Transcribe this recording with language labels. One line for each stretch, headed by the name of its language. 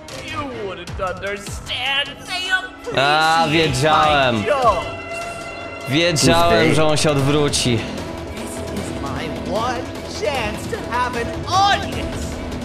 English: You wouldn't understand. They appreciate
Polish: wiedziałem.
English: My jokes.
Polish: Wiedziałem, że on się odwróci.
English: This is my one chance to have an audience.